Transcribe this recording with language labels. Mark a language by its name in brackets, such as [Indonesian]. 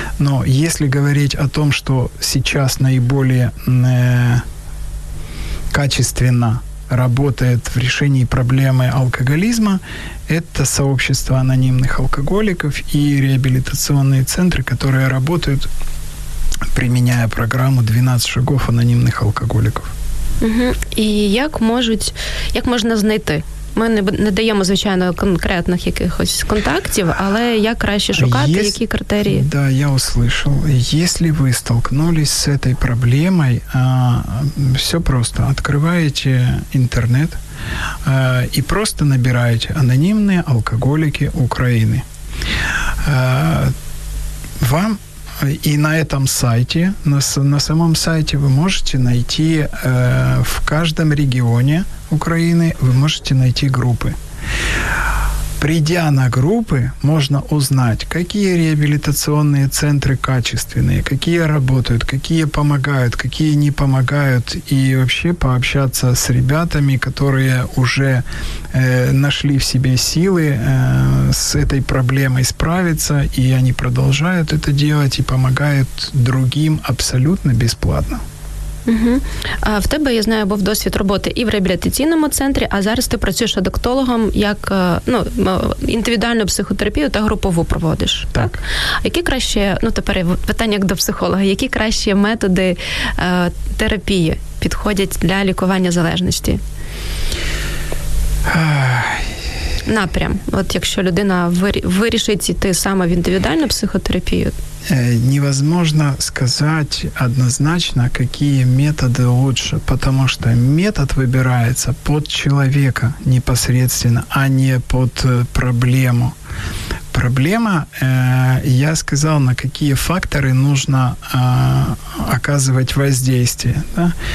[Russian] Но если говорить о том, что сейчас наиболее качественно работает в решении проблемы алкоголизма, это сообщество анонимных алкоголиков и реабилитационные центры, которые работают, применяя программу «12 шагов анонимных алкоголиков». И как можно найти? [Ukrainian] Ми не даємо, звичайно, конкретних якихось контактів, але як краще шукати, які критерії? [Russian] Да, я услышал. Если вы столкнулись с этой проблемой, все просто. Открываете интернет и просто набираете «Анонимные алкоголики Украины». Вам и на этом сайте, на самом сайте вы можете найти в каждом регионе Украины, вы можете найти группы. Придя на группы, можно узнать, какие реабилитационные центры качественные, какие работают, какие помогают, какие не помогают, и вообще пообщаться с ребятами, которые уже нашли в себе силы с этой проблемой справиться, и они продолжают это делать и помогают другим абсолютно бесплатно. Угу. [Ukrainian] А в тебе, я знаю, був досвід роботи і в реабілітаційному центрі, а зараз ти працюєш адиктологом, як індивідуальну психотерапію та групову проводиш. Так. Які краще, тепер питання як до психолога, які кращі методи терапії підходять для лікування залежності? Напрям. Якщо людина вирішить йти саме в індивідуальну психотерапію, [Russian] невозможно сказать однозначно, какие методы лучше, потому что метод выбирается под человека непосредственно, а не под проблему. Проблема, я сказал, на какие факторы нужно оказывать воздействие. Да?